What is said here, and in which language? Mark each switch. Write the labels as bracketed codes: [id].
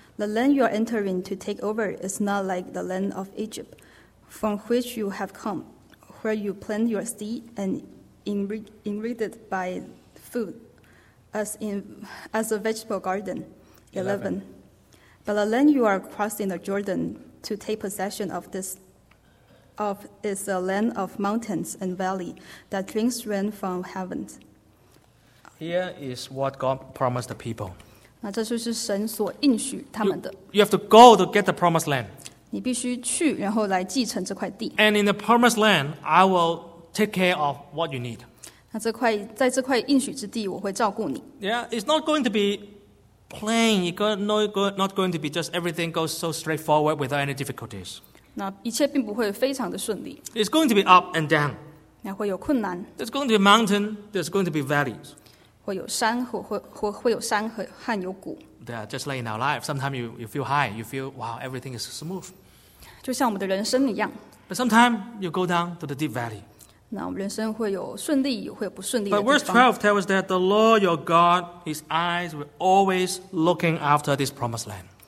[en] The land you are entering to take over is not like the land of Egypt, from which you have come, where you plant your seed and enriched by food, as a vegetable garden. 11. But the land you are crossing the Jordan to take possession of is a land of mountains and valley that drinks rain from heaven. Here is what God promised the people. [zh] 那这就是神所应许他们的. [en] You have to go to get the promised land. [zh] 你必须去，然后来继承这块地. [en] And in the promised land, I will take care of what you need. [zh] 那这块，在这块应许之地，我会照顾你. [en] Yeah, it's not going to be plain. Not going to be just everything goes so straightforward without any difficulties. [zh] 那一切并不会非常的顺利. [en] It's going to be up and down. [zh] 那会有困难. [en] There's going to be mountain. There's going to be valleys. [zh] 会有山和谷。 [en] Yeah, just like in our life, sometimes you feel high, you feel, wow, everything is smooth. [zh] 就像我们的人生一样。 [en] But sometimes you go down to the deep valley. [zh] 那我们人生会有顺利，会有不顺利的地方。 [en] But verse 12 tells us that the Lord your God, His eyes were always looking after this promised land.